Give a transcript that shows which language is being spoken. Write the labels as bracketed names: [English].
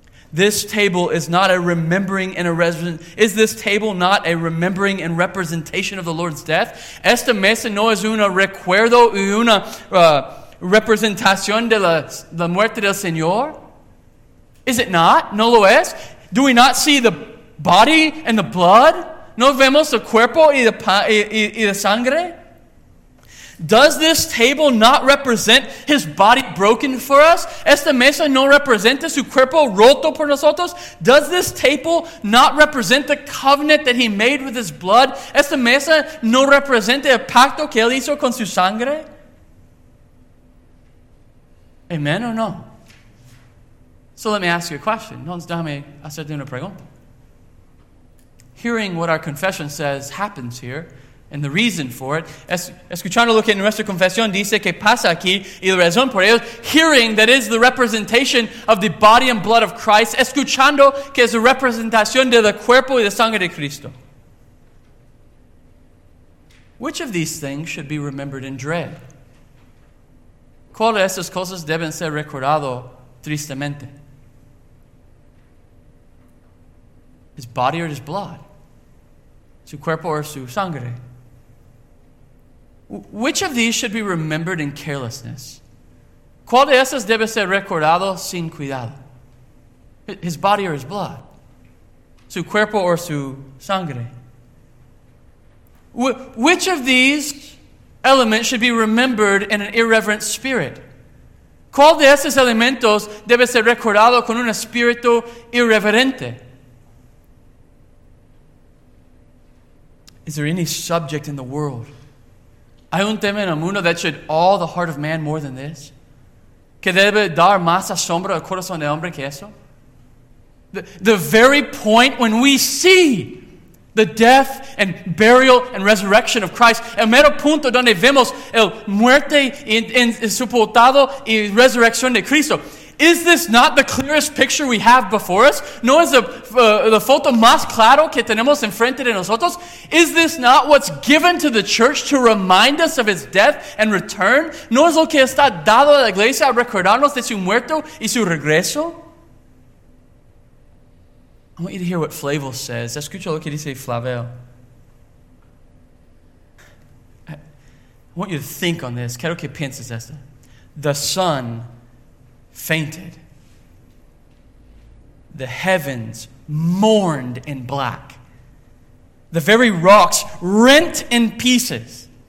[English] This table is not a remembering and a representation. Is this table not a remembering and representation of the Lord's death? [Spanish] Esta mesa no es una recuerdo y una representación de la muerte del Señor? [English] Is it not? [Spanish] ¿No lo es? [English] Do we not see the body and the blood? [Spanish] ¿No vemos el cuerpo y la sangre? [English] Does this table not represent His body broken for us? [Spanish] ¿Esta mesa no representa su cuerpo roto por nosotros? [English] Does this table not represent the covenant that He made with His blood? [Spanish] ¿Esta mesa no representa el pacto que Él hizo con su sangre? ¿Amen o no? [English] So let me ask you a question. [Spanish] Entonces, dame hacerte una pregunta. [English] Hearing what our confession says happens here, and the reason for it, [Spanish] escuchando lo que nuestra confesión dice que pasa aquí, y la razón por ello, [English] hearing that is the representation of the body and blood of Christ, [Spanish] escuchando que es la representación de la cuerpo y la sangre de Cristo. [English] Which of these things should be remembered in dread? [Spanish] ¿Cuál de estas cosas deben ser recordado tristemente? [English] His body or His blood? [Spanish] Su cuerpo or su sangre? [English] Which of these should be remembered in carelessness? [Spanish] ¿Cuál de esas debe ser recordado sin cuidado? [English] His body or His blood? [Spanish] Su cuerpo or su sangre? [English] Which of these elements should be remembered in an irreverent spirit? [Spanish] ¿Cuál de esos elementos debe ser recordado con un espíritu irreverente? [English] Is there any subject in the world? [Spanish] ¿Hay un tema en el mundo [English] that should awe the heart of man more than this? [Spanish] ¿Que debe dar más asombro al corazón del hombre que eso? [English] The very point when we see the death and burial and resurrection of Christ, [Spanish] el mero punto donde vemos el muerte y sepultado y resurrección de Cristo, [English] is this not the clearest picture we have before us? [Spanish] ¿No es la foto más claro que tenemos enfrente de nosotros? [English] Is this not what's given to the church to remind us of His death and return? [Spanish] ¿No es lo que está dado a la iglesia a recordarnos de su muerto y su regreso? [English] I want you to hear what Flavel says. [Spanish] Escucha lo que dice Flavel. [English] I want you to think on this. [Spanish] Quiero que pienses esto. [English] The sun fainted. The heavens mourned in black. The very rocks rent in pieces.